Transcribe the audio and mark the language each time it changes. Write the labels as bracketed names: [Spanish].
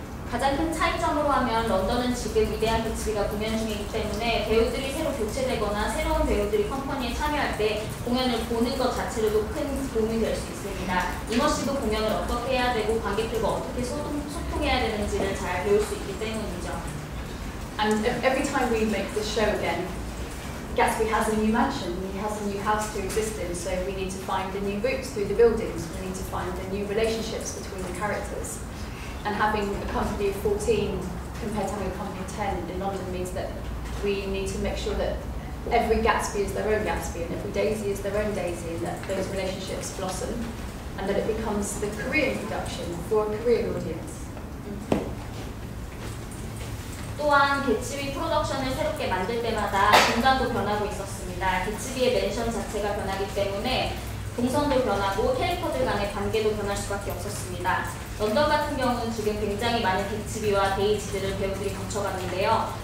[Korean] 가장 큰 차이점으로 하면 런던은 지금 위대한 비치가 공연 중이기 때문에 배우들이 새로 교체되거나 새로운 배우들이 컴퍼니에 참여할 때 공연을 보는 것 자체로도 큰 도움이 될 수 있습니다. 이머시브 공연을 어떻게 해야 되고 관객들과 어떻게 소통해야 되는지를 잘 배울 수 있기 때문이죠. [English] And every time we make the show again, Gatsby has a new mansion, he has a new house to exist in, so we need to find the new routes through the buildings, we need to find the new relationships between the characters. And having a company of 14 compared to having a company of 10 in London means that we need to make sure that every Gatsby is their own Gatsby, and every Daisy is their own Daisy, and that those relationships blossom, and that it becomes the Korean production for a Korean audience. [Korean] 또한 개츠비 프로덕션을 새롭게 만들 때마다 공간도 변하고 있었습니다. 개츠비의 멘션 자체가 변하기 때문에 동선도 변하고 캐릭터들 간의 관계도 변할 수밖에 없었습니다. 런던 같은 경우는 지금 굉장히 많은 개츠비와 데이지들을 배우들이 거쳐갔는데요.